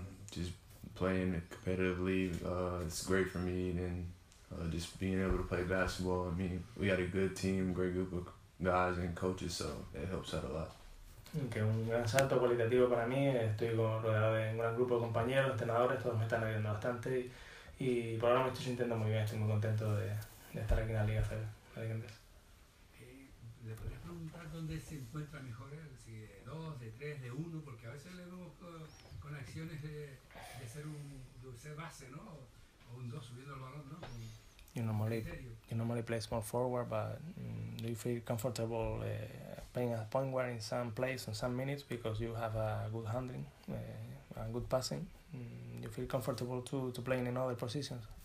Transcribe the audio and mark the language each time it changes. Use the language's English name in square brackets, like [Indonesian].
[English] Just playing competitively, it's great for me, and just being able to play basketball. I mean, we got a good team, great group of guys and coaches, so it helps out a lot. [Spanish] que es un gran salto cualitativo para mí. Estoy rodeado de un gran grupo de compañeros, entrenadores, todos me están ayudando bastante y por ahora me estoy sintiendo muy bien, estoy muy contento de estar aquí en la Liga CB. ¿Le podrías preguntar dónde se encuentra mejor él? ¿Si de 2, de 3, de 1? Porque a veces le vemos con acciones de ser un de ser base, ¿no? O un 2 subiendo el balón, ¿no? [English] You normally play small forward, but do you feel comfortable playing as point guard in some place in some minutes because you have a good handling and good passing? You feel comfortable to playing in other positions?